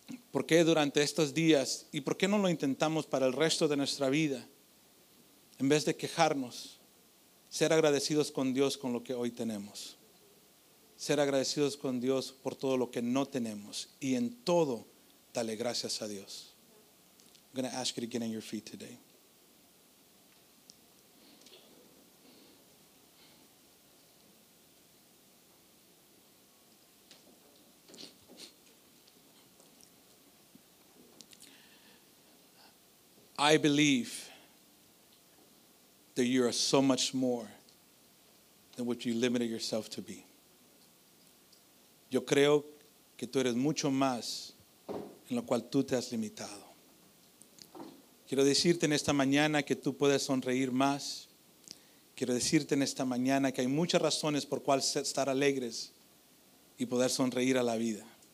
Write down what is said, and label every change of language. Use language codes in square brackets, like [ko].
[es] ¿Por qué durante estos días y por qué no lo intentamos para el resto de nuestra vida? En vez de quejarnos, ser agradecidos con Dios con lo que hoy tenemos. Ser agradecidos con Dios por todo lo que no tenemos. Y en todo, dale gracias a Dios. [en] I'm going to ask you to get on your feet today. I believe that you are so much more than what you limited yourself to be. [es] Yo creo que tú eres mucho más en lo cual tú te has limitado. Quiero decirte en esta mañana que tú puedes sonreír más. Quiero decirte en esta mañana que hay muchas razones por cual estar alegres y poder sonreír a la vida.